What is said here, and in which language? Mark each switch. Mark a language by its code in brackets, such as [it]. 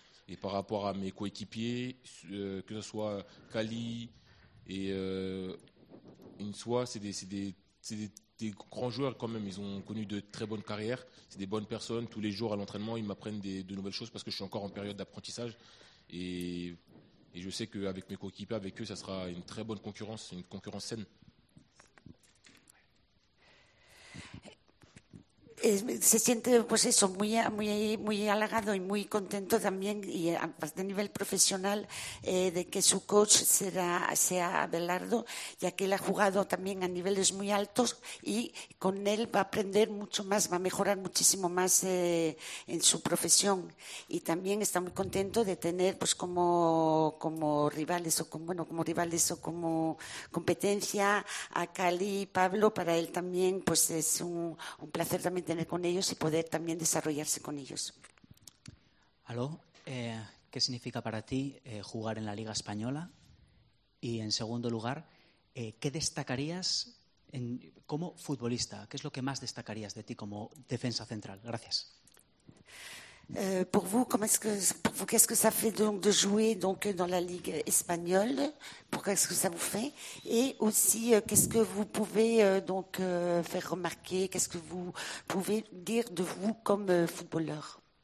[fr] Et par rapport à mes coéquipiers, que ce soit Kali et Insua, c'est des grands joueurs quand même. Ils ont connu de très bonnes carrières. C'est des bonnes personnes. Tous les jours à l'entraînement, ils m'apprennent de nouvelles choses parce que je suis encore en période d'apprentissage. Et je sais qu'avec mes coéquipiers, avec eux, ça sera une très bonne concurrence, une concurrence saine. [es] Se siente pues eso muy muy muy halagado y muy contento también y de nivel profesional de que su coach sea Abelardo, ya que él ha jugado también a niveles muy altos y con él va a aprender mucho más, va a mejorar muchísimo más en su profesión, y también está muy contento de tener pues como competencia a Cali y Pablo. Para él también pues es un placer también tener con ellos y poder también desarrollarse con ellos. Aló, ¿qué significa para ti jugar en la Liga Española? Y en segundo lugar, ¿qué destacarías como futbolista? ¿Qué es lo que más destacarías de ti como defensa central? Gracias. [fr] Pour vous, qu'est-ce que ça fait donc de jouer donc dans la Ligue espagnole? Pourquoi est-ce que ça vous fait? Et aussi, qu'est-ce que vous pouvez donc faire remarquer? Qu'est-ce que vous pouvez dire de vous comme footballeur?